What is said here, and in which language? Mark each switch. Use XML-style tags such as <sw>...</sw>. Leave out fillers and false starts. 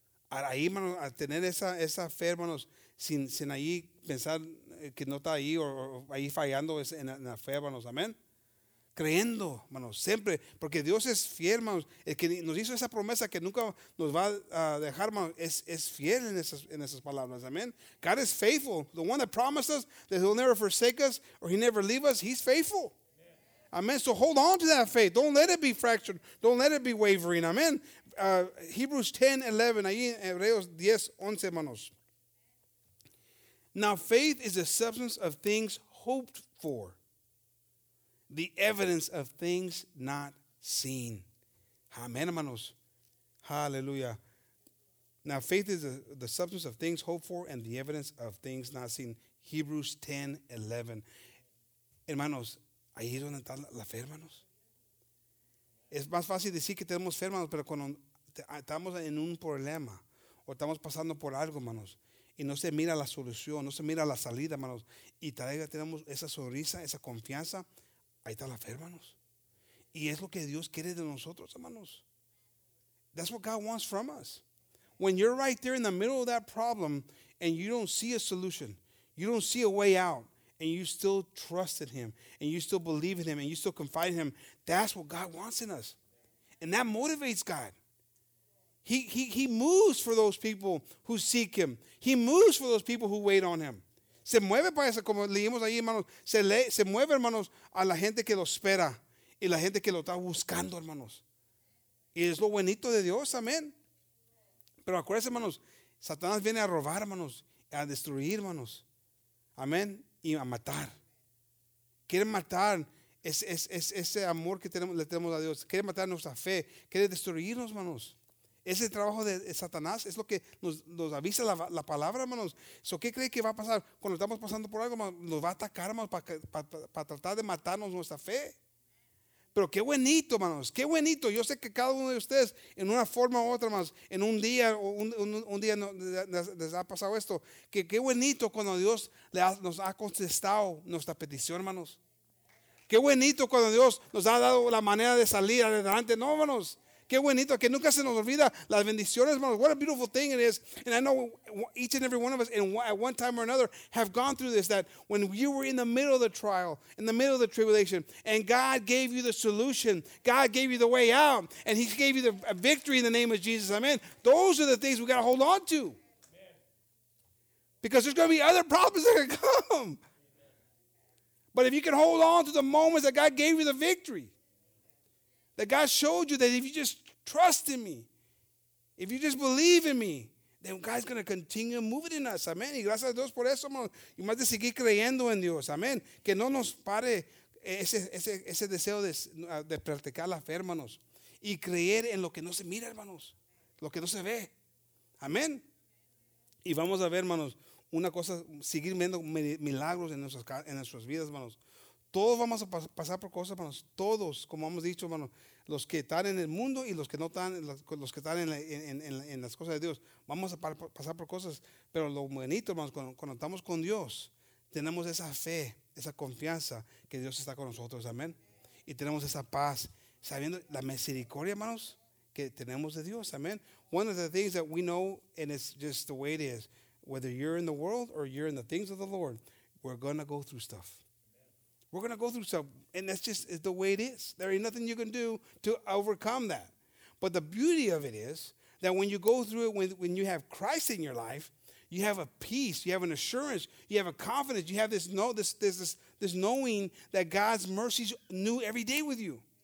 <es>Ahí, hermano, a tener esa fe, hermanos, sin ahí pensar que no está ahí o ahí fallando en la fe, hermanos. Amén. Creyendo, hermanos, siempre, porque Dios es fiel, hermanos, el que nos hizo esa promesa que nunca nos va a dejar, hermanos, es fiel en esas palabras, amén.</es> <en>God is faithful, the one that promised us that he'll never forsake us or he never leave us, he's faithful. Amén, so hold on to that faith, don't let it be fractured, don't let it be wavering, amén.</en> <es>Hebrews 10, 11, ahí en Hebreos 10, 11, hermanos.</es> <en>Now faith is the substance of things hoped for. The evidence of things not seen. Amen, hermanos. Hallelujah. Now, faith is the substance of things hoped for and the evidence of things not seen. Hebrews 10, 11.</en> <es>Hermanos, ahí es donde está la fe, hermanos. Es más fácil decir que tenemos fe, hermanos, pero cuando estamos en un problema o estamos pasando por algo, hermanos, y no se mira la solución, no se mira la salida, hermanos, y todavía tenemos esa sonrisa, esa confianza, ahí está la fe, hermanos. Y es lo que Dios quiere de nosotros, hermanos.</es> <en>That's what God wants from us. When you're right there in the middle of that problem and you don't see a solution, you don't see a way out, and you still trust in him, and you still believe in him, and you still confide in him, that's what God wants in us. And that motivates God. He moves for those people who seek him. He moves for those people who wait on him.</en> <es>Se mueve para eso, como leímos ahí, hermanos. Se mueve, hermanos, a la gente que lo espera y la gente que lo está buscando, hermanos. Y es lo bonito de Dios, amén. Pero acuérdense, hermanos, Satanás viene a robar, hermanos, a destruir, hermanos. Amén. Y a matar. Quiere matar ese amor que le tenemos a Dios. Quiere matar nuestra fe. Quiere destruirnos, hermanos. Ese trabajo de Satanás es lo que nos avisa la palabra, hermanos. So, ¿qué cree que va a pasar cuando estamos pasando por algo? Nos va a atacar, hermanos, para tratar de matarnos nuestra fe. Pero qué bonito, hermanos, qué bonito. Yo sé que cada uno de ustedes, en una forma u otra, hermanos, en un día o un día les ha pasado esto. Que qué bonito cuando Dios nos ha contestado nuestra petición, hermanos. Qué bonito cuando Dios nos ha dado la manera de salir adelante, ¿no, hermanos? Qué bonito, que nunca se nos olvida las bendiciones, hermanos.</es> <en>What a beautiful thing it is. And I know each and every one of us at one time or another have gone through this, that when you were in the middle of the trial, in the middle of the tribulation, and God gave you the solution, God gave you the way out, and he gave you a victory in the name of Jesus. Amen. Those are the things we got to hold on to. Because there's going to be other problems that are going to come. But if you can hold on to the moments that God gave you the victory, that God showed you that if you just trust in me, if you just believe in me, then God's going to continue moving in us.</en> <es>Amen. Y gracias a Dios por eso, hermanos. Y más de seguir creyendo en Dios. Amen. Que no nos pare ese deseo de practicar la fe, hermanos. Y creer en lo que no se mira, hermanos. Lo que no se ve. Amen. Y vamos a ver, hermanos, una cosa, seguir viendo milagros en nuestras vidas, hermanos. Todos vamos a pasar por cosas, hermanos. Todos, como hemos dicho, hermanos, los que están en el mundo y los que no están, los que están en las cosas de Dios, vamos a pasar por cosas. Pero lo bonito, hermanos, cuando estamos con Dios, tenemos esa fe, esa confianza que Dios está con nosotros, amén. Y tenemos esa paz, sabiendo la misericordia, hermanos, que tenemos de Dios, amén.</es> <en>One of the things that we know, and it's just the way it is, whether you're in the world or you're in the things of the Lord, we're going to go through stuff. We're going to go through stuff, and that's just the way it is. There ain't nothing you can do to overcome that. But the beauty of it is that when you go through it, when you have Christ in your life, you have a peace, you have an assurance, you have a confidence, you have this knowing that God's mercy is new every day with you.</en>